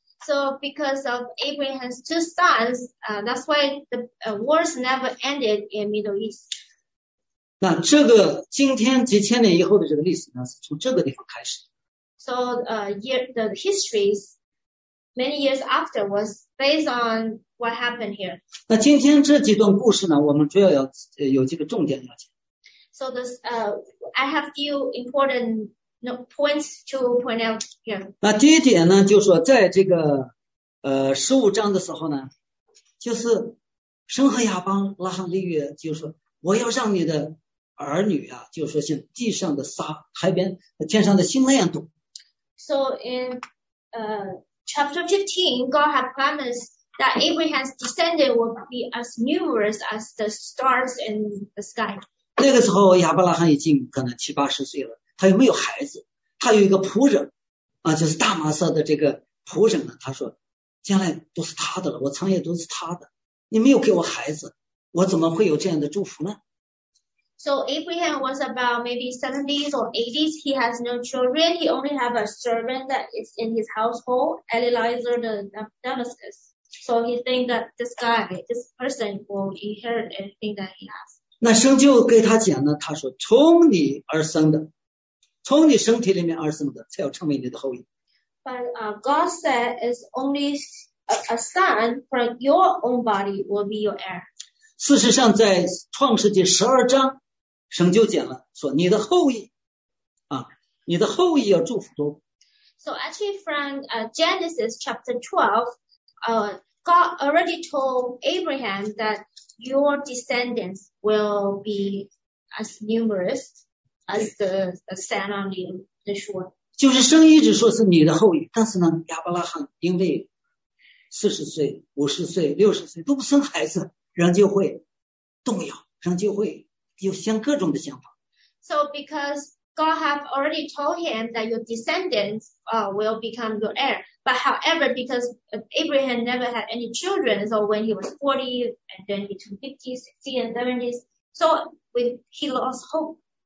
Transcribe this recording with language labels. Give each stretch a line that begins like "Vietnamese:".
English: So because of Abraham's two sons, that's why the wars never ended in Middle East.
Chinese: 那这个今天几千年以后的这个历史呢，是从这个地方开始。
English: So the history many years after was based on what happened here.
Chinese: 那今天这几段故事呢，我们主要要有几个重点要讲。
English: So this, I have few important. No, points to point out here.
Chinese: 那第一点呢，就是说在这个十五章的时候呢，就是神和亚伯拉罕立约，就是说我要让你的儿女啊，就是说像地上的沙、海边、天上的星那样多。
English: So in chapter 15, God had promised that Abraham's descendant would be as numerous as the stars in the sky.
Chinese: 那个时候亚伯拉罕已经可能七八十岁了。他又没有孩子，他有一个仆人啊，就是大马色的这个仆人呢，他说将来都是他的了，我产业都是他的，你没有给我孩子，我怎么会有这样的祝福呢？
English: So Abraham was about maybe 70s or 80s. He has no children. He only have a servant that is in his household, Eliezer the Damascus. So he think that this guy, this person will inherit everything that he has.
Chinese: 那神就给他讲呢，他说从你而生的，从你身体里面而生的，才要成为你的后裔。
English: But God said, "It's only a son from your own body will be your heir."
Chinese: 事实上，在创世纪十二章，神就讲了，说你的后裔，你的后裔要祝福多。
English: So actually, from Genesis chapter 12, God already told Abraham that your descendants will be as numerous. As the sand on the shore.
Chinese: 就是神一直说是你的后裔，但是呢，亚伯拉罕因为四十岁、五十岁、六十岁都不生孩子，人就会动摇，人就会有像各种的想法。
English: So because God have already told him that your descendants will become your heir, but however, because Abraham never had any children, so when he was 40 and then between 50, 60 and 70s, so he lost hope.